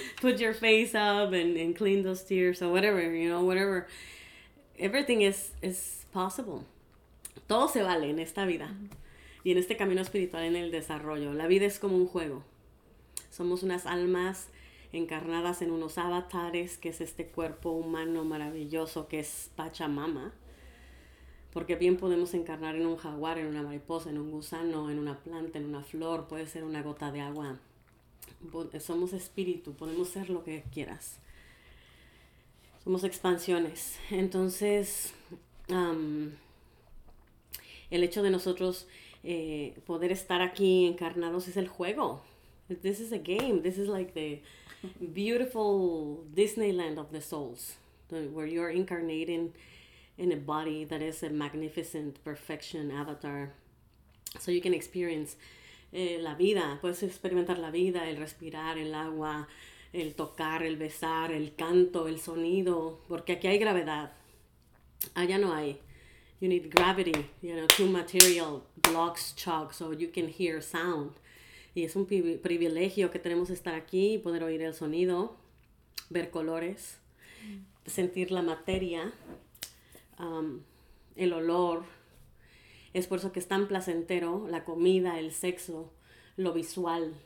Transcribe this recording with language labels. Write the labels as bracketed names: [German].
[English] Put your face up and clean those tears or whatever, you know, whatever. Everything is possible. [Spanish] Todo se vale en esta vida. Y en este camino espiritual, en el desarrollo. La vida es como un juego. Somos unas almas encarnadas en unos avatares, que es este cuerpo humano maravilloso que es Pachamama. Porque bien podemos encarnar en un jaguar, en una mariposa, en un gusano, en una planta, en una flor, puede ser una gota de agua. Somos espíritu, podemos ser lo que quieras. Somos expansiones. Entonces, el hecho de nosotros poder estar aquí encarnados es el juego. [English] This is a game. This is like the beautiful Disneyland of the souls, where you're incarnating in a body that is a magnificent perfection avatar. So you can experience [Spanish] la vida. Puedes experimentar la vida, el respirar, el agua, el tocar, el besar, el canto, el sonido. Porque aquí hay gravedad. Allá no hay. [English] You need gravity, you know, two material blocks, chalk, so you can hear sound. [Spanish] Y es un privilegio que tenemos estar aquí y poder oír el sonido, ver colores, sentir la materia, el olor. Es por eso que es tan placentero la comida, el sexo, lo visual.